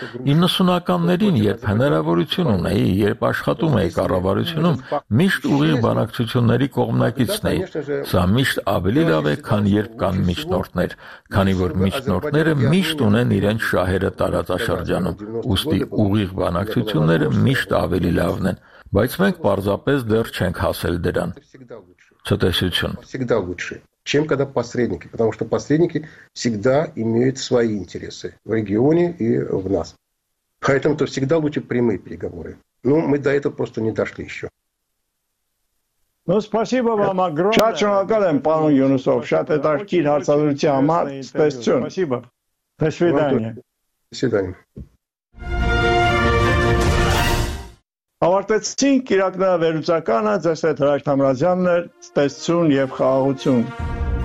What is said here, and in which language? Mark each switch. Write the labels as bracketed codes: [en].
[hy] 90-ականներին, երբ հնարավորություն ունեի, երբ աշխատում էի կառավարությունում, միշտ ուղիղ բանակցությունների կողմնակիցն էի։ Սա միշտ ավելի լավ է, քան երբ կան միջնորդներ, քանի որ միջնորդները միշտ ունեն իրենց շահերը տարածաշրջանում, ուստի ուղիղ բանակցությունները միշտ ավելի լավն են։ Բայց մենք պարզապես դեռ չենք հասել դրան։ Ցտեսություն։ [ru] Всегда лучше, чем когда посредники, потому что посредники всегда имеют свои интересы в регионе и в нас. Поэтому то всегда лучше прямые переговоры. Ну, мы до этого просто не дошли ещё. Ну, спасибо вам огромное. [hy] Շատ շնորհակալ եմ, պարոն Յունուսով, շատ հետաքրքիր հարցերի համար, ցտեսություն։ [ru] Спасибо. До свидания. До свидания. [hy] Ավարտեցինք իրաքնա վերուցականը, ձեզ հետ Հրաչ Թամրազյանն էր, ցտեսություն և խաղաղություն։